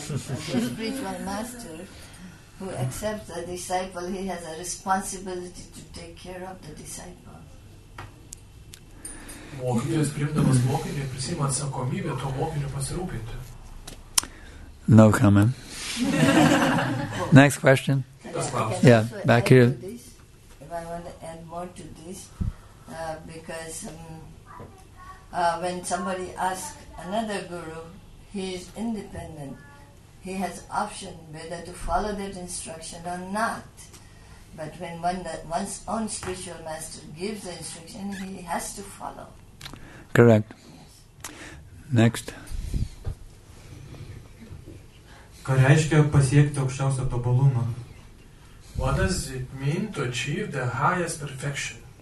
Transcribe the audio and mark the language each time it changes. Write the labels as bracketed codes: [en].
[en] The spiritual master who accepts a disciple, he has a responsibility to take care of the disciple. [lt] Mokytojas priimdamas mokinį prisima atsakomybę to mokinio pasirūpinti. [en] No comment. Next question. Yeah, back here. If I want to add more to this, because when somebody asks another guru, he is independent. He has option whether to follow that instruction or not. But when one's own spiritual master gives the instruction, he has to follow. Correct. Yes. Next. [lt] Ką reiškia pasiekti aukščiausią tobulumą? [en] What does it mean to achieve the highest perfection?